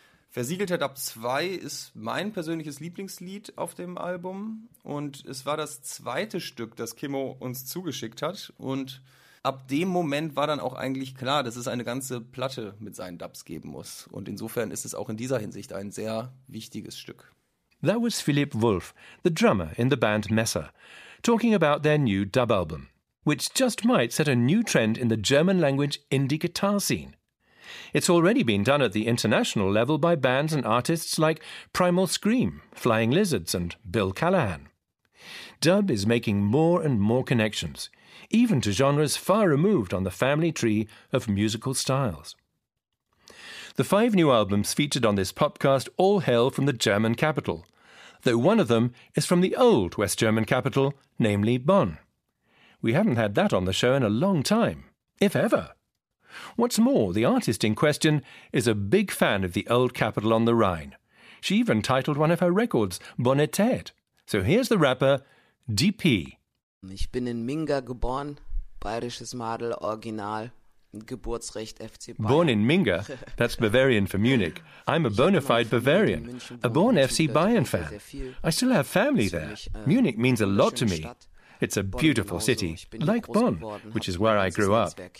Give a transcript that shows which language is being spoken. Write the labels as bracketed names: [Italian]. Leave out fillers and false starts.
[German] Versiegelte Dub 2 ist mein persönliches Lieblingslied auf dem Album und es war das zweite Stück, das Kimmo uns zugeschickt hat und ab dem Moment war dann auch eigentlich klar, dass es eine ganze Platte mit seinen Dubs geben muss und insofern ist es auch in dieser Hinsicht ein sehr wichtiges Stück. [English] That was Philipp Wolf, the drummer in the band Messer, talking about their new dub album, which just might set a new trend in the German language indie guitar scene. It's already been done at the international level by bands and artists like Primal Scream, Flying Lizards and Bill Callahan. Dub is making more and more connections, even to genres far removed on the family tree of musical styles. The 5 new albums featured on this podcast all hail from the German capital, though one of them is from the old West German capital, namely Bonn. We haven't had that on the show in a long time, if ever. What's more, the artist in question is a big fan of the old capital on the Rhine. She even titled one of her records Bonnetät. So here's the rapper DP. [German] Ich bin in Minga geboren, bayerisches Madel original, Geburtsrecht FC Bayern. [English] Born in Minga, that's Bavarian for Munich. I'm a bona fide Bavarian, a born FC Bayern fan. I still have family there. Munich means a lot to me. It's a beautiful city, like Bonn, which is where I grew up.